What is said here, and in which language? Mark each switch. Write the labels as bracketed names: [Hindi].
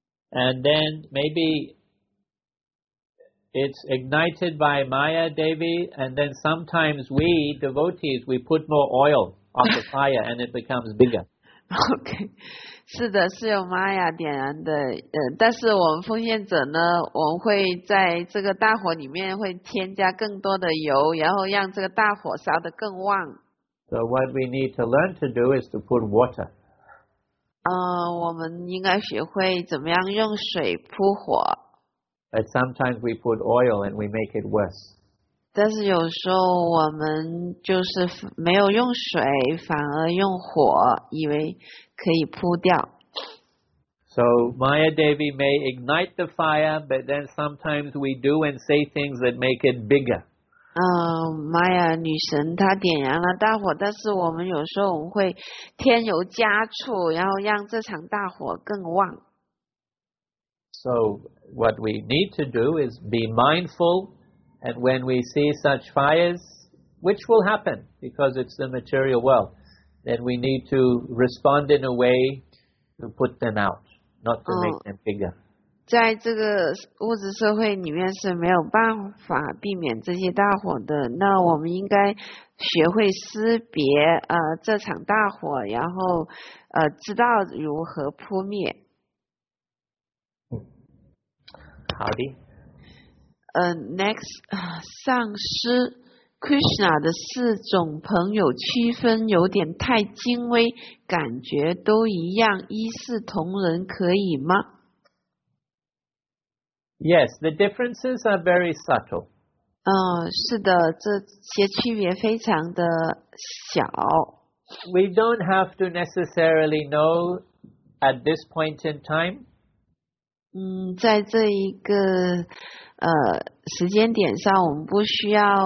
[English] And then maybe it's ignited by Maya, Devi, and then sometimes we, devotees, we put more oil on the fire and it becomes bigger. [Chinese] Okay, 是的，是由玛雅点燃的。但是我们奉献者呢，我们会在这个大火里面会添加更多的油，然后让这个大火烧得更旺。 [English] So what we need to learn to do is to put water. [Chinese] 我们应该学会怎么样用水扑火。 [English] But sometimes we put oil and we make it worse. [Chinese] 但是有时候我们就是没有用水，反而用火，以为可以扑掉。 [English] So Maya Devi may ignite the fire, but then sometimes we do and say things that make it bigger. [Chinese] Maya 女神她点燃了大火，但是我们有时候我们会添油加醋，然后让这场大火更旺。 [English] So what we need to do is be mindful, and when we see such fires, which will happen because it's the material world, then we need to respond in a way to put them out, not to make them bigger. [Chinese] 在这个物质社会里面是没有办法避免这些大火的，那我们应该学会识别这场大火，然后知道如何扑灭。好的。 Next, 上师 Krishna 的四种朋友区分有点太精微，感觉都一样，一视同仁可以吗？ [English] Yes, the differences are very subtle. [Chinese] 是的，这些区别非常的小。 [English] We don't have to necessarily know at this point in time. [Chinese] 在这一个时间点上，我们不需要